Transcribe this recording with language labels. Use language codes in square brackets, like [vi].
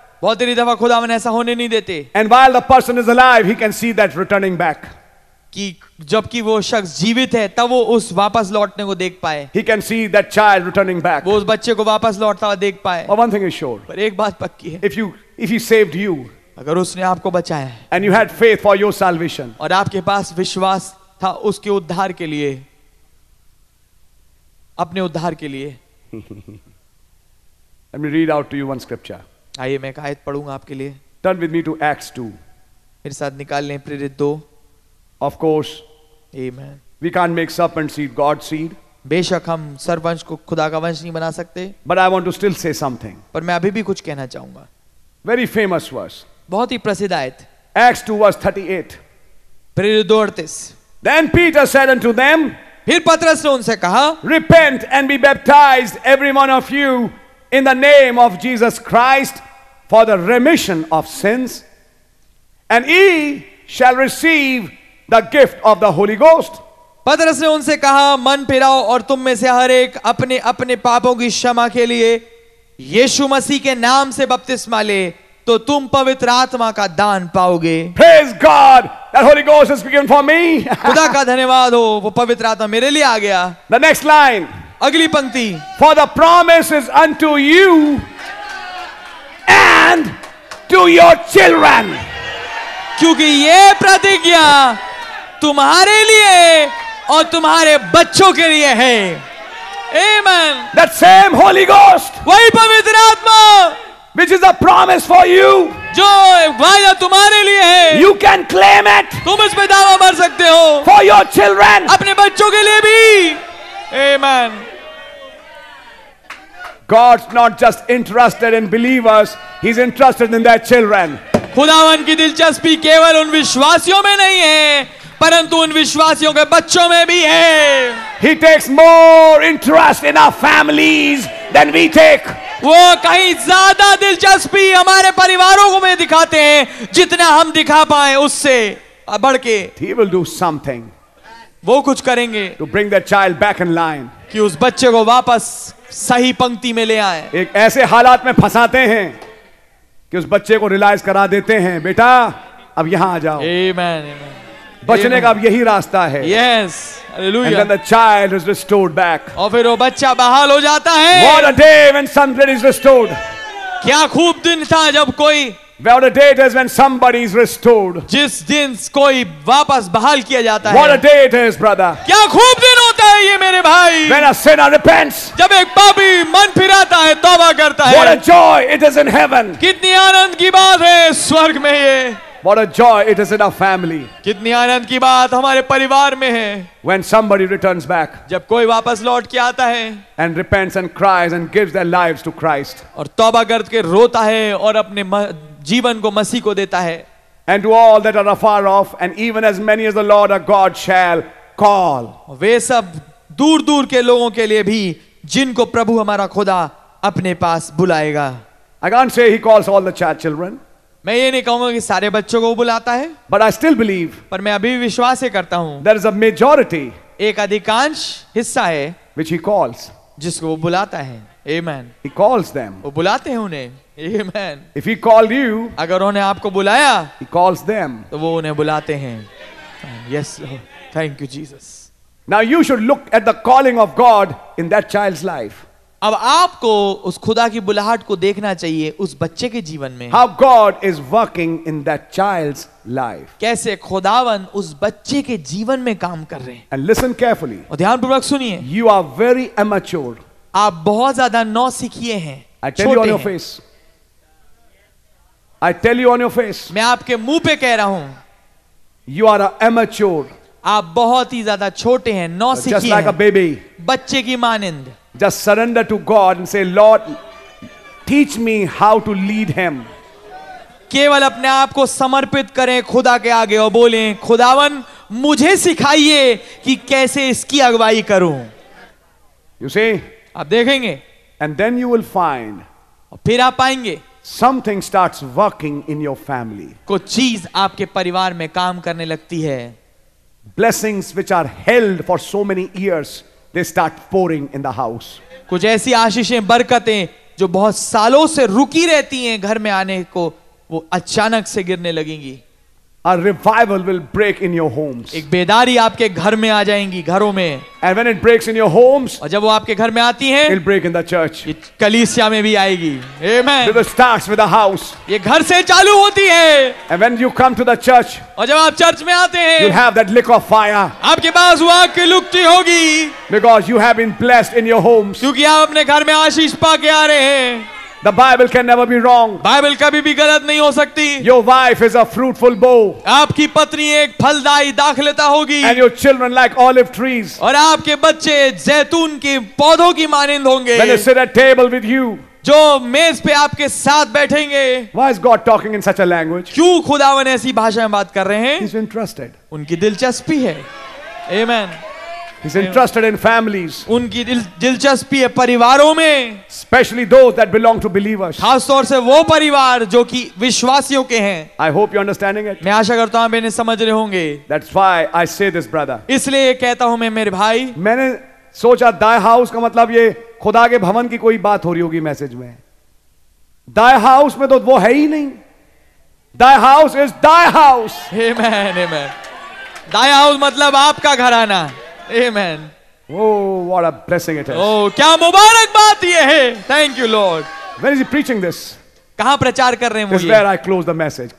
[hi] बहुत देरी दफा खुदावन ऐसा होने नहीं देते. [en] And while the person is alive, he can see that returning back. [hi] कि जबकि वो शख्स जीवित है तब वो उस वापस लौटने को देख पाए. [en] He can see that child returning back. [hi] वो उस बच्चे को वापस लौटता हुआ देख पाए. [en] But one thing is sure. [hi] पर एक बात पक्की है. [en] If he saved you. [hi] अगर उसने आपको बचाया. [en] And you had faith for your salvation. [hi] और आपके पास विश्वास था उसके उद्धार के लिए. अपने उद्धार के लिए. [en] Let me read out to you one scripture. [hi] आइए मैं एक आयत पढ़ूंगा आपके लिए. [en] Turn with me to Acts 2. [hi] मेरे साथ निकाल लें प्रेरित 2. [en] Of course. Amen. We can't make serpent seed God seed. [hi] बेशक हम सर्पवंश को खुदा का वंश नहीं बना सकते. [en] But I want to still say something. [hi] पर मैं अभी भी कुछ कहना चाहूंगा. [en] Very famous verse. [hi] बहुत ही प्रसिद्ध आयत. [en] Acts 2 verse 38. [hi] प्रेरित 2:38. [en] Then Peter said unto them. [hi] फिर पत्रस ने उनसे कहा. [en] Repent and be baptized every one of you in the name of Jesus Christ for the remission of sins, and ye shall receive the gift of the Holy Ghost. [hi] पत्रस ने उनसे कहा मन फिराओ और तुम में से हर एक अपने अपने पापों की क्षमा के लिए यीशु मसीह के नाम से बपतिस्मा ले तो तुम पवित्र आत्मा का दान पाओगे. [en] Praise God, that Holy Ghost is given for me. [hi] खुदा का धन्यवाद हो वो पवित्र आत्मा मेरे लिए आ गया. [en] The next line. [hi] अगली पंक्ति. [en] For the promise is unto you and to your children. [hi] क्योंकि ये प्रतिज्ञा तुम्हारे लिए और तुम्हारे बच्चों के लिए है. [en] Amen. That same Holy Ghost. [hi] वही पवित्र आत्मा. [en] Which is a promise for you. [hi] जो वायदा तुम्हारे लिए है. [en] You can claim it. [hi] तुम इस पे दावा कर सकते हो. [en] For your children. [hi] अपने बच्चों के लिए भी. Amen. [en] God's not just interested in believers. He's interested in their children. [hi] खुदावन की दिलचस्पी केवल उन विश्वासियों में नहीं है परंतु उन विश्वासियों के बच्चों में भी है. [en] He takes more interest in our families than we take. [hi] वो कहीं ज्यादा दिलचस्पी हमारे परिवारों को में दिखाते हैं जितना हम दिखा पाए उससे बढ़ के. [en] He will do something. [hi] वो कुछ करेंगे [en] to bring that child back in line. [hi] कि उस बच्चे को वापस सही पंक्ति में ले आए. एक ऐसे हालात में फंसाते हैं कि उस बच्चे को रिलाइज करा देते हैं बेटा अब यहां आ जाओ. [en] Amen. [hi] बचने Amen. का अब यही रास्ता है. [en] Yes. Hallelujah. And then the child is restored back. [hi] और फिर वो बच्चा बहाल हो जाता है. [en] What a day when somebody is restored. [hi] क्या खूब दिन था जब कोई. [en] What a day it is when somebody is restored. [hi] जिस दिन कोई वापस बहाल किया जाता [en] What [hi] है. [en] What a day it is, brother. [hi] क्या खूब दिन होता है ये मेरे भाई. [en] When a sinner repents. [hi] जब एक पापी मन फिराता है तौबा करता है. [en] What a joy it is in heaven. [hi] कितनी आनंद की बात है स्वर्ग में ये. [en] What a joy it is in our family. [hi] कितनी आनंद की बात हमारे परिवार में है. [en] When somebody returns back. [hi] जब कोई वापस लौट के आता है. [en] And repents and cries and gives their lives to Christ. [hi] और तौबा करके रोता है और अपने जीवन को मसीह को देता है. [en] And to all that are afar off and even as many as the Lord our God shall call. [hi] वे सब दूर दूर के लोगों के लिए भी जिनको प्रभु हमारा खुदा अपने पास बुलाएगा. [en] I can't say he calls all the children. [hi] मैं ये नहीं कहूंगा कि सारे बच्चों को बुलाता है. [en] But I still believe. [hi] पर मैं अभी भी विश्वास ये करता हूं. [en] There is a majority. [hi] एक अधिकांश हिस्सा है. [en] Which he calls. [hi] जिसको वो बुलाता है. Amen. [en] He calls them. [hi] वो बुलाते हैं उन्हें. Amen. [en] If he called you. [hi] अगर उन्होंने आपको बुलाया. [en] He calls them. [hi] तो वो उन्हें बुलाते हैं. [en] Yes, Lord. Thank you, Jesus. Now you should look at the calling of God in that child's life. [hi] अब आपको उस खुदा की बुलाहट को देखना चाहिए उस बच्चे के जीवन में. [en] How God is working in that child's life. [hi] कैसे खुदावन उस बच्चे के जीवन में काम कर रहे हैं. [en] And listen carefully. [hi] और ध्यानपूर्वक सुनिए. [en] You are very immature. [hi] आप बहुत ज्यादा नौसिखिए हैं. [en] I tell you on your face. I tell you on your face. [hi] मैं आपके मुंह पे कह रहा हूं. [en] You are immature. [hi] आप बहुत ही ज्यादा छोटे हैं नौसिखिए. [en] Just like a baby. [hi] बच्चे की मानिंद. [en] Just surrender to God and say, Lord, teach me how to lead him. [hi] केवल अपने आप को समर्पित करें खुदा के आगे और बोलें खुदावन मुझे सिखाइए कि कैसे इसकी अगुवाई करूं. [en] You see? [hi] आप देखेंगे. [en] And then you will find. [hi] और फिर आप पाएंगे. [en] Something starts working in your family. [hi] कुछ चीज आपके परिवार में काम करने लगती है. [en] Blessings which are held for so many years. they start pouring in the house. [hi] कुछ ऐसी आशीषें बरकतें जो बहुत सालों से रुकी रहती हैं घर में आने को वो अचानक से गिरने लगेंगी. [en] A revival will break in your homes. [hi] एक बेदारी आपके घर में आ जाएंगी घरों में. [en] And when it breaks in your homes, [hi] और जब वो आपके घर में आती हैं, [en] it'll break in the church. [hi] ये कलीसिया में भी आएगी. Amen. [en] It starts with the house. [hi] ये घर से चालू होती है. [en] And when you come to the church, [hi] और जब आप चर्च में आते हैं, [en] you have that lick of fire. [hi] आपके पास वो आग की लुकती होगी. [en] Because you have been blessed in your homes. [hi] क्योंकि आप अपने घर में आशीष पा के आ रहे हैं. [en] The Bible can never be wrong. [hi] Bible कभी भी गलत नहीं हो सकती. [en] Your wife is a fruitful bow. [hi] आपकी पत्नी एक फलदायी दाखलता होगी. [en] And your children like olive trees. [hi] और आपके बच्चे जैतून के पौधों की मानिंद होंगे. [en] When they sit at table with you. [hi] जो मेज पे आपके साथ बैठेंगे. [en] Why is God talking in such a language? [hi] क्यों खुदावन ऐसी भाषा में बात कर रहे हैं? [en] He's interested. [hi] उनकी दिलचस्पी है. Amen. [en] He's interested in families. [hi] उनकी दिलचस्पी है परिवारों में. [en] Especially those that belong to believers. [hi] खासतौर से वो परिवार जो कि विश्वासियों के हैं. [en] I hope you're understanding it. [hi] मैं आशा करता हूँ आप इन्हें समझ रहे होंगे. [en] That's why I say this, brother. [hi] इसलिए ये कहता हूँ मैं मेरे भाई. मैंने सोचा [en] thy house [hi] का मतलब ये खुदा के भवन की कोई बात हो रही होगी मैसेज में. [en] Thy house [hi] में तो वो है ही नहीं. [en] Thy house is thy house. Amen, amen. Thy house [hi] मतलब आपका घराना. [en] Amen. Oh, what a blessing it is. [hi] Oh, क्या मुबारक बात ये है. [en] Thank you, Lord. Where is he preaching this? [hi] कहाँ प्रचार कर रहे हैं वो ये? [en] This is where I close the message.